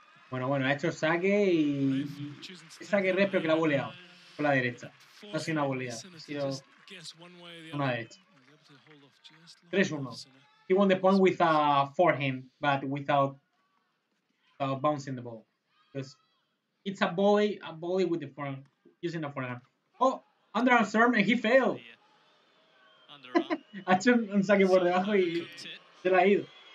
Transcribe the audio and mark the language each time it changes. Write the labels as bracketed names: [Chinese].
[Spanish] Bueno, bueno, ha hecho saque y saque rep, pero que la ha voleado por la derecha. No ha sido una volea, ha sido una derecha. 3-1. [English] He won the point with a forehand, but without bouncing the ball. Because it's a volley with the forehand, using the forehand. Oh, underarm serve and he failed. [Spanish] Ha hecho un saque por debajo y se la ha ido.